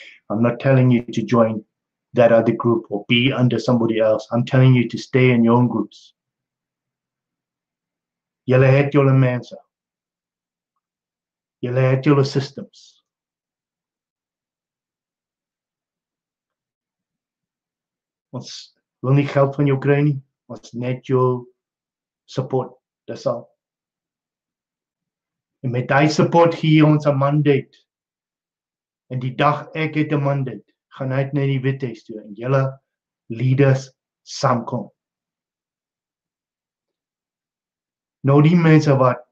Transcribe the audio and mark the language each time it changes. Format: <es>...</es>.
<en>I'm not telling you to join that other group or be under somebody else. I'm telling you to stay in your own groups.</en> <af>Julle het julle mense. Julle het julle systems. Ons wil nie geld van jou kry nie. Ons net jou support. Dis al. En met die support gee ons een mandaat. En die dag ek het een mandaat, gaan uit naar die Wit Huis toe en julle leaders saamkom. Nou die mense wat</af>